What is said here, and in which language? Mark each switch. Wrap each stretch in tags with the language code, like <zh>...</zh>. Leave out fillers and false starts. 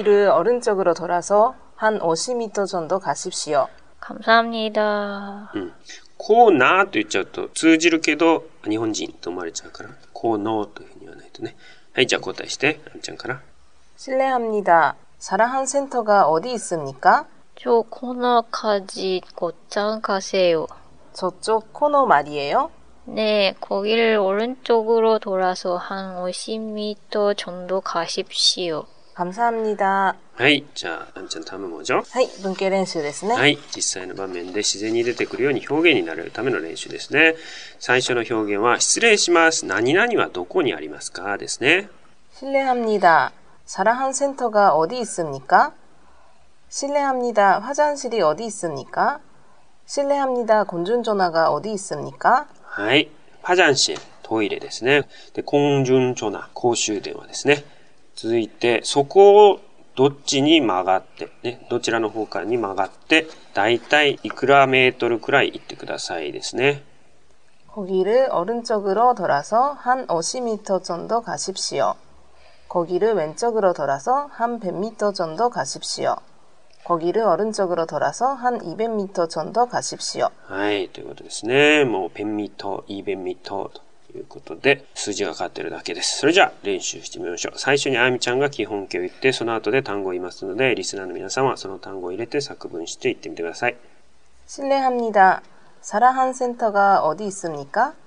<ko>네거기를오른쪽으로돌아서한 50m 정도가십시오 감사합니다</ko> <ja>코너と言っちゃうと通じるけど日本人と思われちゃうから코너と言わないとねはいじゃあ答えしてアンちゃんから</ja> <ko>실례합니다사라한센터가어디있습니까 저코너까지곧장가세요 저쪽코너말이에요 네거기를오른쪽으로돌아서한 50m 정도가십시오 감사합니다</ko> <ja>はい、じゃあ、アンちゃん、タイムもじゃはい、文系練習ですね。はい、実際の場面で自然に出てくるように表現になれるための練習ですね。最初の表現は、失礼します。何々はどこにありますかですね。</ja> <ko>실례합니다。 사라한센터가어디있습니까실례합니다화장실이어디있습니까실례합니다공중전화가어디있습니까</ko> <ja>はい화장실トイレですねで공중전화公衆電話ですね続いてそこをどっちに曲がってねどちらの方かに曲がってだいたいいくらメートルくらい行ってくださいですね</ja> <ko>거기를오른쪽으로돌아서한 50m 정도가십시오거기를왼쪽으로돌아서한 100m 정도가십시오거기를오른쪽으로돌아서한 200m 정도가십시오</ko> <ja>はい、ということですね。もう 100m、200m ということで、数字がかかってるだけです。それじゃあ、練習してみましょう。最初にあやみちゃんが基本形を言って、その後で単語を言いますので、リスナーの皆さんはその単語を入れて作文して言ってみてください。</ja> <ko>실례합니다。 사라한센터가어디있습니까</ko>